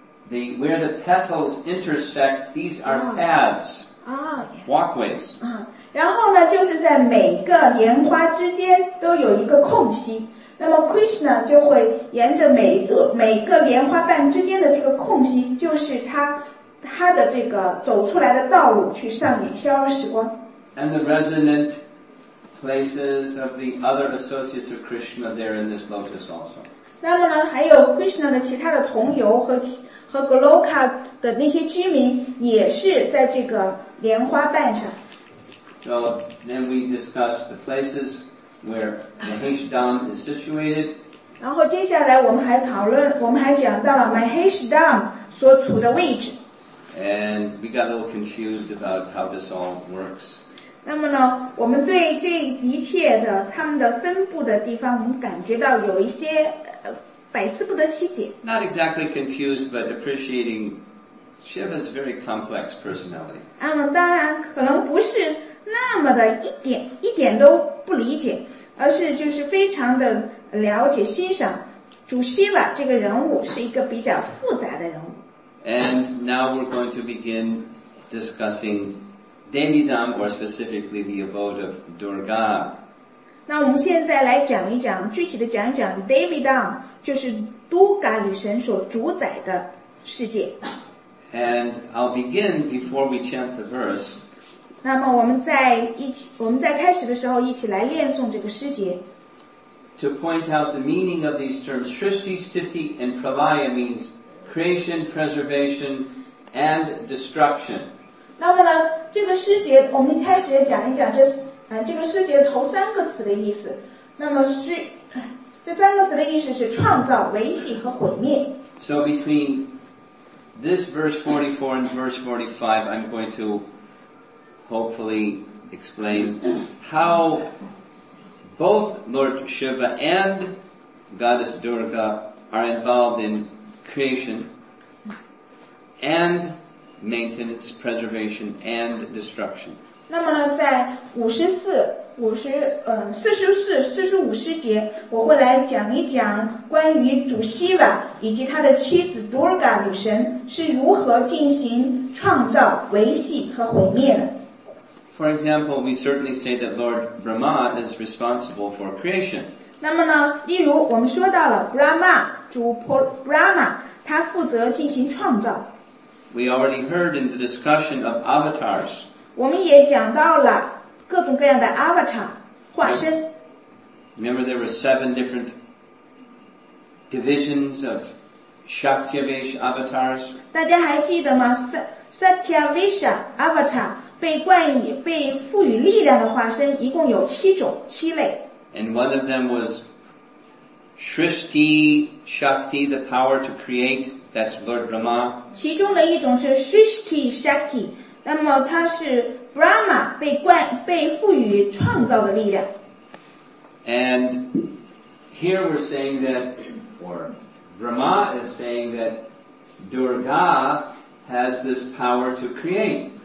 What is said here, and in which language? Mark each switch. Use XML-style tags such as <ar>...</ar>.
<en>The, where the petals intersect, these are paths, walkways.</en> <zh>然后呢就是在每个莲花之间都有一个空隙，那么 Krishna 就会沿着每个莲花瓣之间的这个空隙，就是他的这个走出来的道路去上演逍遥时光。</zh> <en>And the resonant places of the other associates of Krishna there in this lotus also.</en> <zh>那么呢还有 Krishna 的其他的同游和 Goloka 的那些居民也是在这个莲花瓣上。</zh> <en>So then we discuss the places where Maheshdham is situated.</en> <zh>然后接下来我们还讲到了 Maheshdham 所处的位置。</zh> <en>And we got a little confused about how this all works.</en> <zh>那么呢我们对这一切的他们的分布的地方我们感觉到有一些百思不得其解。</zh> <en>Not exactly confused, but appreciating Shiva's very complex personality.</en> <zh>那么当然可能不是那么的一点都不理解，而是就是非常的了解欣赏主希瓦这个人物是一个比较复杂的人物。</zh> <en>And now we're going to begin discussing Devidham, or specifically the abode of Durga.</en> <zh>那我们现在来讲一讲，具体的讲一讲 Devidham, 就是 Durga 女神所主宰的世界。</zh> <en>And I'll begin before we chant the verse.</en> <zh>那么我们在开始的时候一起来念诵这个诗节。</zh> <en>To point out the meaning of these terms, Srishti, Sthiti, and Pralaya means creation, preservation, and destruction.</en> <zh>那么呢，这个诗节我们开始讲一讲，这个诗节头三个词的意思。那么这三个词的意思是创造、维系和毁灭。</zh> <en>So between this verse 44 and verse 45, I'm going to. Hopefully explain how both Lord Shiva and Goddess Durga are involved in creation and maintenance, preservation and destruction.</en> <zh>那么呢在四十五诗节我会来讲一讲关于主希瓦以及他的妻子 Durga 女神是如何进行创造、维系和毁灭的。</zh> <en>For example, we certainly say that Lord Brahma is responsible for creation.</en> <zh>那么呢，例如我们说到了 Brahma, 主 Brahma, 他负责进行创造。</zh> <en>We already heard in the discussion of avatars.</en> <zh>我们也讲到了各种各样的 avatar, 化身。</zh> <en>Remember there were seven different divisions of Shaktyavesh avatars?</en> <zh>大家还记得吗 ?Shaktyavesh avatar. 被赋予力量的化身一共有七种七类。</zh> <en>And one of them was Srishti Shakti, the power to create, that's Lord Brahma.</en> <zh>其中的一种是 Srishti Shakti, 那么它是 Brahma 被赋予创造的力量。</zh> <en>And here we're saying that, or Brahma is saying that Durga has this power to create.</en>